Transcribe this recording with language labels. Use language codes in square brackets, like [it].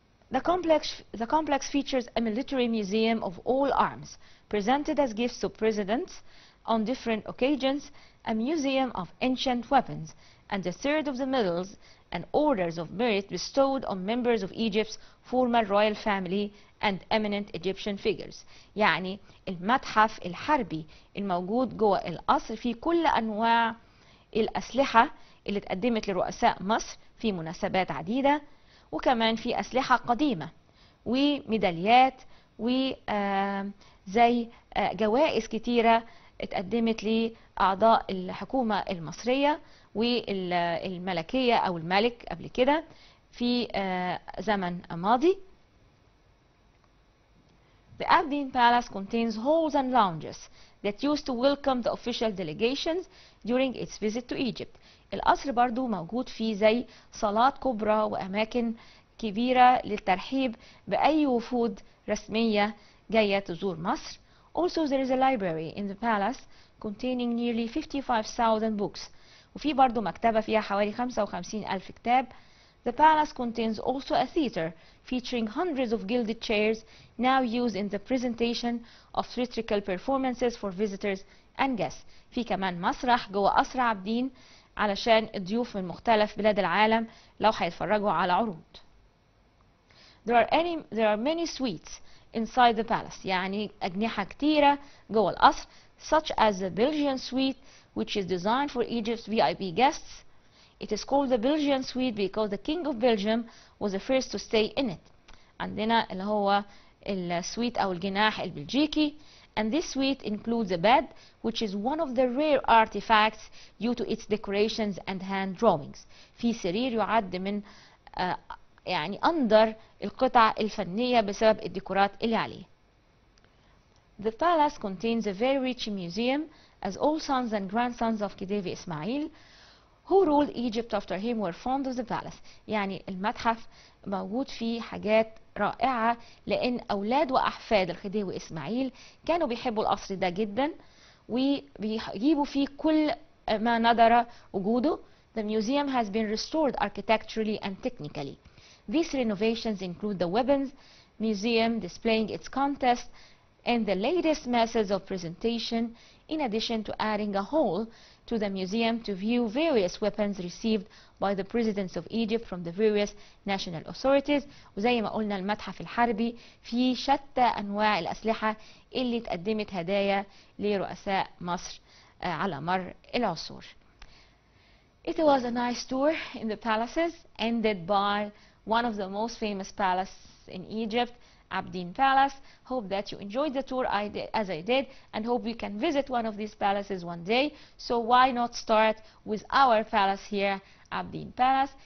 [en] The complex features a military museum of all arms presented as gifts to presidents on different occasions, a museum of ancient weapons, and a third of the medals and orders of merit bestowed on members of Egypt's former royal family and eminent Egyptian figures. [ar] يعني المتحف الحربي الموجود جوه القصر فيه كل أنواع الأسلحة اللي اتقدمت لرؤساء مصر في مناسبات عديدة، وكمان في أسلحة قديمة وميداليات وزي جوائز كتيرة اتقدمت لأعضاء الحكومة المصرية والملكية أو الملك قبل كده في زمن ماضي. [en] The Abdin Palace contains halls and lounges that used to welcome the official delegations during its visit to Egypt. [ar] القصر برضو موجود فيه زي صالات كبرى وأماكن كبيرة للترحيب بأي وفود رسمية جاية تزور مصر. [en] Also there is a library in the palace containing nearly 55,000 books. [ar] وفي برضو مكتبة فيها حوالي 55,000 كتاب. [en] The palace contains also a theater featuring hundreds of gilded chairs now used in the presentation of theatrical performances for visitors and guests. [ar] في كمان مسرح جوه قصر عابدين علشان الضيوف من مختلف بلاد العالم لو هيتفرجوا على عروض. [en] There are many suites inside the palace. [ar] يعني أجنحة كتيرة جوه القصر. [en] Such as the Belgian suite which is designed for Egypt's VIP guests. It is called the Belgian suite because the king of Belgium was the first to stay in it. [ar] عندنا اللي هو السويت أو الجناح البلجيكي. [en] And this suite includes a bed which is one of the rare artifacts due to its decorations and hand drawings. [ar] في سرير يعد من يعني أندر القطع الفنية بسبب الديكورات اللي عليه. [en] The palace contains a very rich museum as all sons and grandsons of Khedivi Ismail who ruled Egypt after him were fond of the palace. [ar] يعني المتحف موجود فيه حاجات رائعة لأن أولاد وأحفاد الخديوي إسماعيل كانوا بيحبوا القصر ده جدا وبيجيبوا فيه كل ما ندر وجوده. [en] The museum has been restored architecturally and technically. These renovations include the weapons museum displaying its contest and the latest methods of presentation in addition to adding a hall to the museum to view various weapons received by the presidents of Egypt from the various national authorities. [ar] وزي ما قلنا المتحف الحربي فيه شتى أنواع الأسلحة اللي تقدمت هدايا لرؤساء مصر على مر العصور. [en] It was a nice tour in the palaces ended by one of the most famous palaces in Egypt, Abdin Palace. Hope that you enjoyed the tour as I did and hope you can visit one of these palaces one day. So why not start with our palace here, Abdin Palace.